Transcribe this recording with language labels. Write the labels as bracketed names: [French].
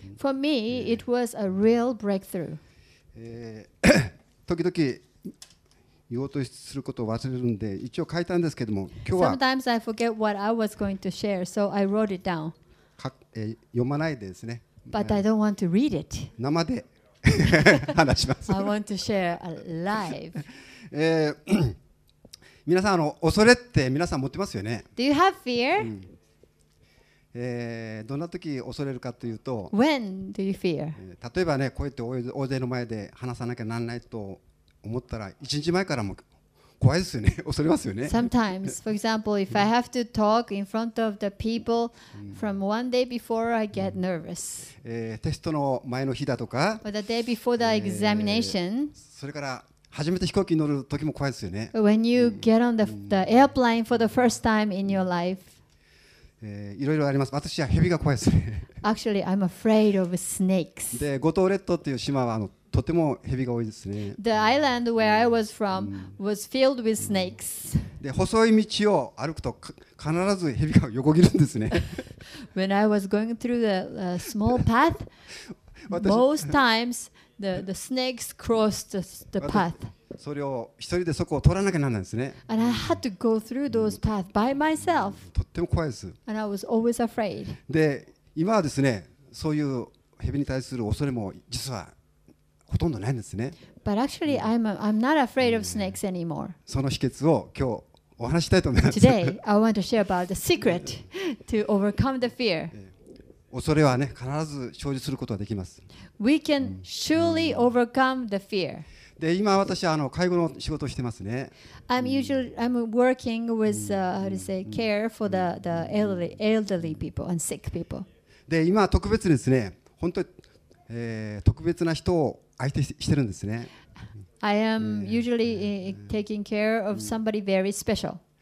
[English] For me, it was a real breakthrough. [Japanese] 時々言おうとすることを忘れるんで、一応書いたんですけども、今日は [English] Sometimes I forget what I was going to share, so I wrote it down. [Japanese] 読まないでですね。 [English] But I don't want to read it. [Japanese] 生で話します。 [English] I want to share live. [Japanese] 皆さん恐れって皆さん持ってますよね。 [English] Do you have fear? [Japanese] どんな時恐れるかというと、 [English] When do you fear? [Japanese] 例えばね、こうやって大勢の前で話さなきゃなんないと思ったら、1日前からも怖いですよね。恐れますよね。 [English] Sometimes, for example, if I have to talk in front of the people from one day before, I get nervous. [Japanese] テストの前の日だとか、 [English] or the day before the examination. [Japanese] それから初めて飛行機に乗る時も怖いですよね。 [English] When you get on the airplane for the first time in your life. [Japanese] いろいろあります。私は蛇が怖いですね。 [English] Actually, I'm afraid of snakes. [Japanese] で、五島列島っていう島はとても蛇が多いですね。 [English] The island where I was from was filled with snakes. [Japanese] で、細い道を歩くと必ず蛇が横切るんですね。 [English] When I was going through a small path, most times the snakes crossed the path. [Japanese] それを一人でそこを通らなきゃならないんですね。 [English] And I had to go through those paths by myself. [Japanese] とっても怖いです。 [English] And I was always afraid. [Japanese] で、今はですね、そういう蛇に対する恐れも実はほとんどないんですね。 [English] But actually, I'm not afraid of snakes anymore. [Japanese] その秘訣を今日お話したいと思います。 [English] Today, I want to share about the secret to overcome the fear. [Japanese] 恐れはね、必ず勝利することができます。 [English] We can surely overcome the fear. [Japanese] で、今私は介護の仕事をしてますね。 [English] I'm working with how to say care for the elderly people and sick people. [Japanese] で、今特別ですね、本当に、特別な人を相手してるんですね。 [English] I am usually taking care of somebody very special.